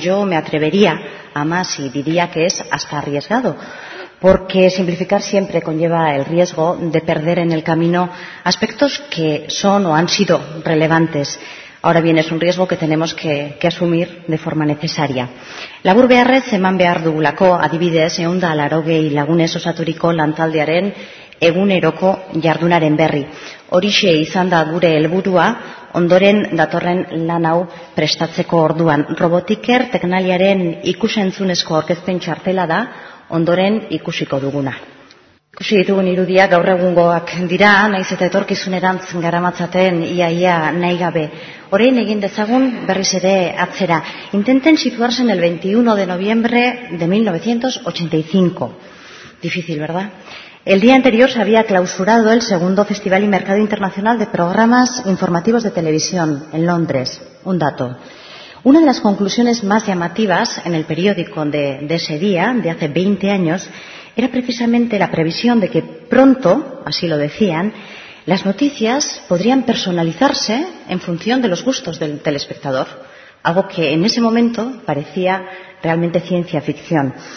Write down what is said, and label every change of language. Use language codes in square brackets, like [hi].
[es] Yo me atrevería a más y diría que es hasta arriesgado, porque simplificar siempre conlleva el riesgo de perder en el camino aspectos que son o han sido relevantes. Ahora bien, es un riesgo que tenemos que asumir de forma necesaria. [eu] Labur beharrez eman behar dugulako, adibidez, 180 lagunez osaturiko lantaldearen eguneroko jardunaren berri. Horixe izan da gure helburua, ondoren datorren lan hau prestatzeko orduan. Robotiker Tecnaliaren ikusentzunezko aurkezpen txartela da, ondoren ikusiko duguna. Ikusi ditugun irudiak gaur egungoak dira, naiz eta etorkizunerantz garamatzaten iaia nahi gabe. Orain egin dezagun berriz ere atzera. [es] Intenten situarse en el 21 de noviembre de 1985. Difícil, ¿verdad? El día anterior se había clausurado el segundo Festival y Mercado Internacional de Programas Informativos de Televisión en Londres. Un dato. Una de las conclusiones más llamativas en el periódico de ese día, de hace 20 años, era precisamente la previsión de que pronto, así lo decían, las noticias podrían personalizarse en función de los gustos del telespectador, algo que en ese momento parecía realmente ciencia ficción.